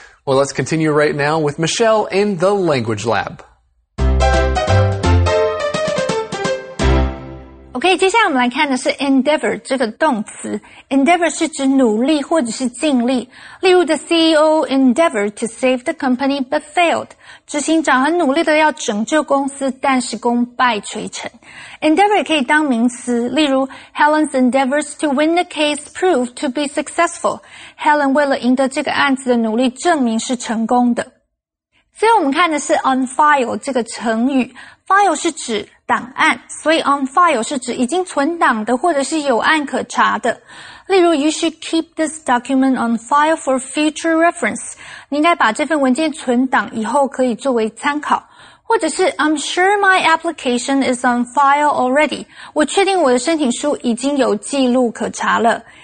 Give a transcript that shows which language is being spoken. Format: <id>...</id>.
<en>Well, let's continue right now with Michelle in the language lab.</en> <zh>OK, 接下来我们来看的是 endeavor 这个动词。endeavor 是指努力或者是尽力。例如</zh> <en>the CEO endeavored to save the company but failed.</en> <zh>执行长很努力的要拯救公司但是功败垂成。</zh> <en>endeavor</en> <zh>可以当名词，例如</zh> <en>Helen's endeavors to win the case proved to be successful.</en> <zh>Helen 为了赢得这个案子的努力证明是成功的。所以我们看的是 on file 这个成语。file 是指档案，所以 on file 是指已经存档的或者是有案可查的。</zh> <en>例如 you should keep this document on file for future reference.</en> <zh>你应该把这份文件存档以后可以作为参考。或者是</zh> <en>I'm sure my application is on file already.</en> <zh>我确定我的申请书已经有记录可查了。</zh>